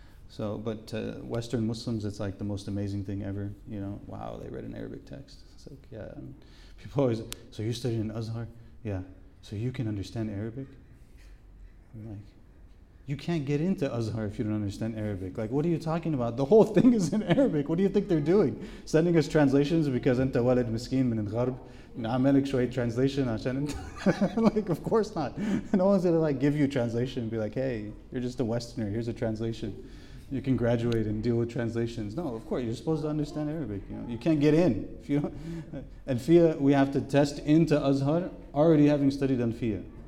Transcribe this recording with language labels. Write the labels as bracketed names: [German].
[English] So, but to Western Muslims, it's like the most amazing thing ever, you know. Wow, they read an Arabic text. It's like, yeah. I mean, people always, so you studied in Azhar? Yeah. So you can understand Arabic? I'm like, you can't get into Azhar if you don't understand Arabic. Like, what are you talking about? The whole thing is in Arabic. What do you think they're doing? Sending us translations because [Arabic] أنت ولد مسكين من الغرب. نعملك شوية translation عشان أنت. [English] Like, of course not. No one's going to like give you a translation and be like, hey, you're just a Westerner. Here's a translation. You can graduate and deal with translations. No, of course, you're supposed to understand Arabic. You know, you can't get in. If you don't. Alfiya, we have to test into Azhar already having studied Alfiya.